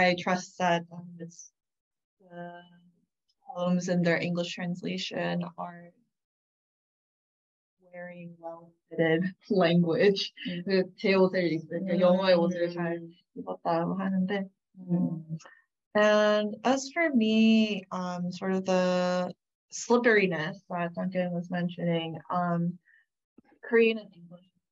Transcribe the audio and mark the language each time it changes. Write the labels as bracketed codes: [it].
[en] 'I trust that the poems and their English translation are wearing well-fitted language. [ko] 제 옷을 영어의 옷을 잘 입었다고 하는데. [en] And as for me, sort of the slipperiness that Duncan was mentioning, Korean and English.